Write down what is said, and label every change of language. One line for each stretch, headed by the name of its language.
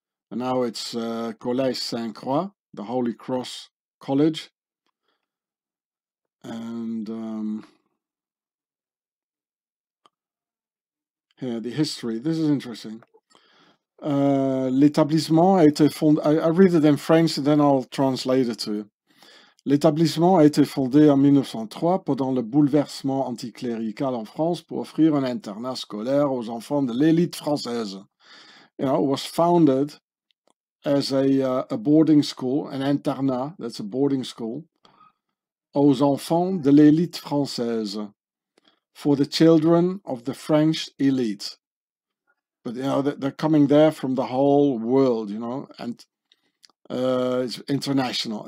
English: And now it's Collège Saint-Croix, the Holy Cross College. And here, the history. This is interesting.
French: L'établissement a été fondé.
English: I read it in French, and then I'll translate it to you.
French: L'établissement a été fondé en 1903 pendant le bouleversement anticlérical en France pour offrir un internat scolaire aux enfants de l'élite française.
English: You know, it was founded as a boarding school, an internat, that's a boarding school,
French: aux enfants de l'élite française,
English: for the children of the French elite. But, you know, they're coming there from the whole world, you know, and it's international.